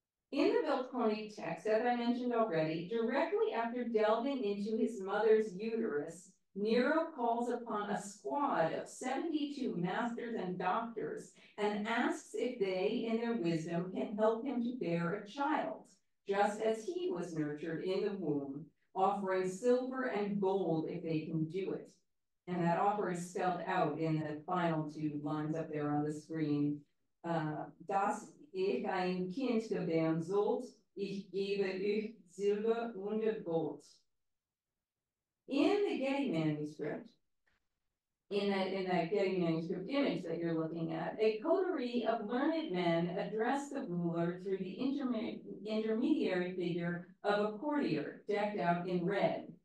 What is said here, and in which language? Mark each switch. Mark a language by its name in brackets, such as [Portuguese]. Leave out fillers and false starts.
[English] In the Weltchronik text, as I mentioned already, directly after delving into his mother's uterus, Nero calls upon a squad of 72 masters and doctors and asks if they, in their wisdom, can help him to bear a child, just as he was nurtured in the womb, offering silver and gold if they can do it. And that offer is spelled out in the final two lines up there on the screen. [Middle High German] Das ich ein Kind gebären sollt, ich gebe euch Silber und Gold. [English] In the Getty manuscript, in that Getty manuscript image that you're looking at, a coterie of learned men address the ruler through the intermediary figure of a courtier decked out in red.